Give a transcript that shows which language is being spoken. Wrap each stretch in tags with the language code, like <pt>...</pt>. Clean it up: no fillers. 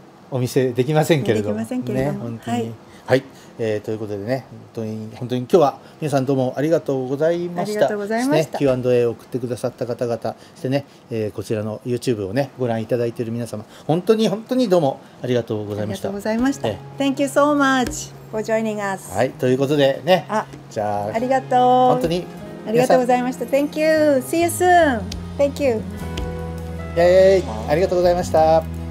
<ja>お見せできませんけれど、できませんけれども、本当に、はい、ということでね、本当に今日は皆さんどうもありがとうございました。ありがとうございました、ね、Q&A を送ってくださった方々、そしてね、こちらの YouTube をねご覧いただいている皆様、本当にどうもありがとうございました。ありがとうございました、</ja> <en>Thank you so much for joining us、</en> <ja>はい、ということでね、じゃあありがとう、本当にありがとうございました。</ja> <en>Thank you, see you soon, thank you、</en> <ja>イエーイ、ありがとうございました。</ja>